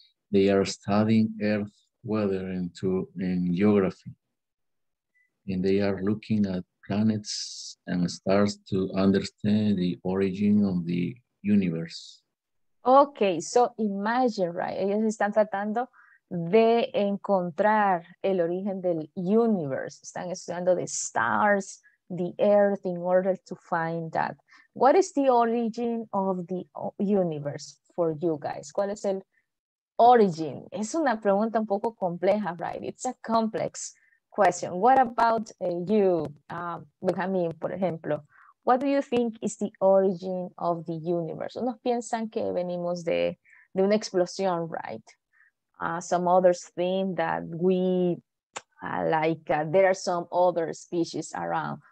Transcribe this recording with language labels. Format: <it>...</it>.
<en>They are studying Earth weather and geography. And they are looking at planets and stars to understand the origin of the universe. Okay, so imagine, right?</en> <es>Ellos están tratando de encontrar el origen del universe. Están estudiando</es> <en>the stars, the Earth, in order to find that. What is the origin of the universe for you guys?</en> <es>¿Cuál es el origin? Es una pregunta un poco compleja, right?</es> <en>It's a complex question. What about you, Benjamin,</en> <es>por ejemplo?</es> <en>What do you think is the origin of the universe?</en> <es>Unos piensan que venimos de una explosión, right?</es> <en>Some others think that there are some other species around.</en>